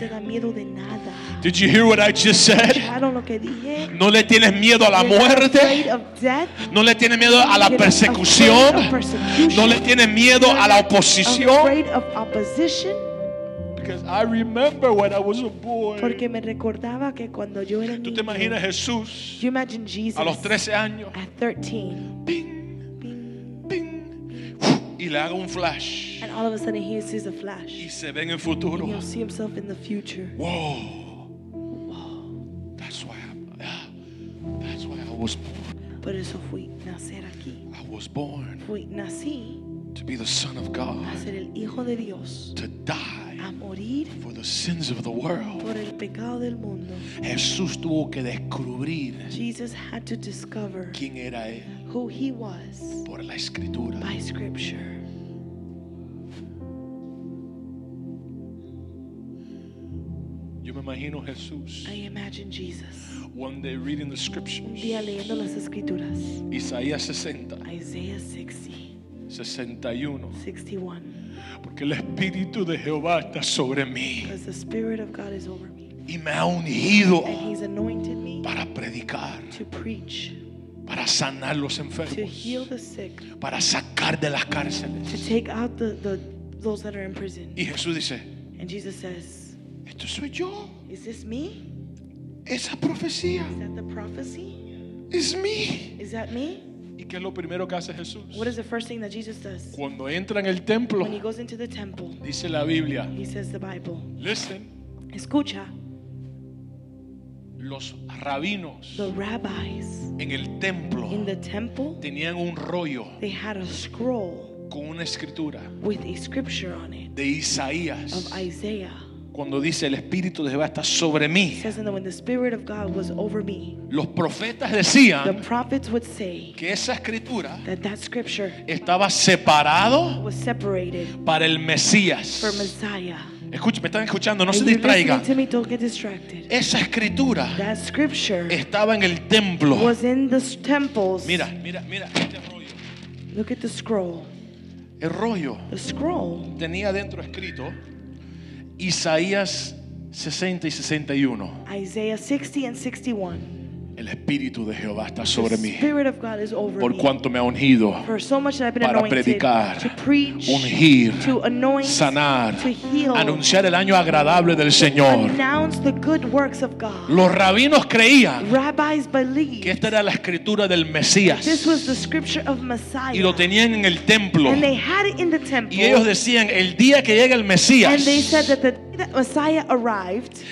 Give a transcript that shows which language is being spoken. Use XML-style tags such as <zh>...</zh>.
<es>No te da miedo de nada.</es> <en>Did you hear what I just said?</en> <es>Lo que dije? No le tienes miedo a la muerte.</es> <en>Of death?</en> <es>No le tienes miedo a la persecución. No le tienes miedo a la oposición.</es> <en>Of opposition? Because I remember when I was a boy.</en> <es>Porque me recordaba que cuando yo era niño. ¿Tú te imaginas Jesús?</es> <en>You imagine Jesus.</en> <es>A los 13 años.</es> <en>At 13. Ping. Ping.</en> <es>Ping. Y le haga un flash.</es> <en>And all of a sudden he sees a flash.</en> <es>Y se ve en el futuro.</es> <en>And he'll see himself in the future. Whoa. Whoa. That's why I was born.</en> <es>Por eso fui nacer aquí.</es> <en>I was born.</en> <es>Fui nací.</es> <en>To be the Son of God.</en> <es>A ser el hijo de Dios.</es> <en>To die.</en> <es>a morir</es> <en>for the sins of the world.</en> <es>Por el pecado del mundo. Jesús tuvo que descubrir</es> <en>Jesus had to discover</en> <es>quién era él</es> <en>who he was</en> <es>por la escritura.</es> <en>By scripture.</en> <es>Yo me imagino Jesús.</es> <en>I imagine Jesus. One day reading the scriptures.</en> <es>Un día leyendo las escrituras. Isaías 60.</es> <en>Isaiah 60. 61. 61.</en> <es>Porque el Espíritu de Jehová está sobre mí.</es> <en>Because the Spirit of God is over me.</en> <es>Y me ha ungido.</es> <en>And He's anointed me.</en> <es>Para predicar.</es> <en>To preach.</en> <es>Para sanar los enfermos.</es> <en>To heal the sick.</en> <es>Para sacar de las cárceles.</es> <en>To take out those that are in prison.</en> <es>Y Jesús dice.</es> <en>And Jesus says.</en> <es>¿Esto soy yo?</es> <en>Is this me? Esa profecía. Is that the prophecy? Is me? Is that me?</en> <es>¿Y qué es lo primero que hace Jesús?</es> <en>What is the first thing that Jesus does?</en> <es>Cuando entra en el templo.</es> <en>When he goes into the temple.</en> <es>Dice la Biblia.</es> <en>He says the Bible. Listen.</en> <es>Escucha. Los rabinos.</es> <en>The rabbis.</en> <es>En el templo.</es> <en>In the temple.</en> <es>Tenían un rollo.</es> <en>They had a scroll.</en> <es>Con una escritura.</es> <en>With a scripture on it.</en> <es>De Isaías.</es> <en>Of Isaiah.</en> <es>Cuando dice el Espíritu de Jehová está sobre mí.</es> <en>When the Spirit of God was over me.</en> <es>Los profetas decían.</es> <en>The prophets would say.</en> <es>Que esa escritura.</es> <en>That scripture.</en> <es>Estaba separado.</es> <en>Was separated.</en> <es>Para el Mesías.</es> <en>For Messiah.</en> <es>Escuche, me están escuchando, no se distraiga.</es> <en>If you're listening to me, don't get distracted.</en> <es>Esa escritura.</es> <en>That scripture.</en> <es>Estaba en el templo.</es> <en>Was in the temples.</en> <es>Mira, mira, mira este rollo.</es> <en>Look at the scroll.</en> <es>El rollo.</es> <en>The scroll.</en> <es>Tenía dentro escrito. Isaías 60 y 61.</es> <en>Isaiah 60 and 61.</en> <es>El Espíritu de Jehová está sobre mí.</es> <en>The Spirit of God is over me.</en> <es>Por cuanto me ha ungido.</es> <en>For so much that I've been</en> <es>para</es> <en>anointed.</en> <es>Para predicar.</es> <en>To preach.</en> <es>Ungir.</es> <en>To anoint.</en> <es>Sanar.</es> <en>To heal.</en> <es>Anunciar el año agradable del Señor.</es> <en>To announce the good works of God.</en> <es>Los rabinos creían.</es> <en>Rabbis believed.</en> <es>Que esta era la escritura del Mesías.</es> <en>This was the scripture of Messiah.</en> <es>Y lo tenían en el templo.</es> <en>And they had it in the temple.</en> <es>Y ellos decían el día que llegue el Mesías.</es> <en>And they said that the that Messiah arrived,</en>